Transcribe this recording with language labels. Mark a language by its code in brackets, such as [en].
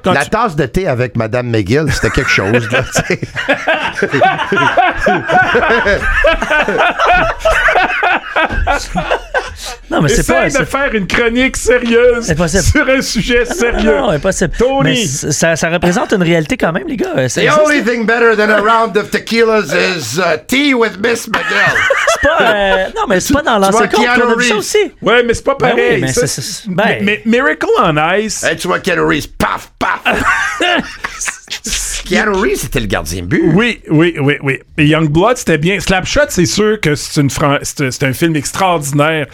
[fr] La tasse de thé avec Mme McGill, c'était quelque chose. Là, . Non, mais essaye c'est pas, de c'est... faire une chronique sérieuse sur un sujet sérieux. Non, impossible. Tony. Mais ça représente une réalité quand même, les gars. [en] The only thing better than a round of tequilas is tea with Miss McGill. [fr] C'est pas... non, mais c'est pas dans l'ancien compte. Tu vois Keanu Reeves. Aussi. Ouais, mais c'est pas pareil. Ben oui, mais, ça, c'est... Ben... mais Miracle on Ice... Hey, tu vois Keanu Reeves. Paf, paf. Keanu Reeves, c'était le gardien de but. Oui, oui, oui, oui. Et Youngblood, c'était bien. Slapshot, c'est sûr que c'est un film extraordinaire.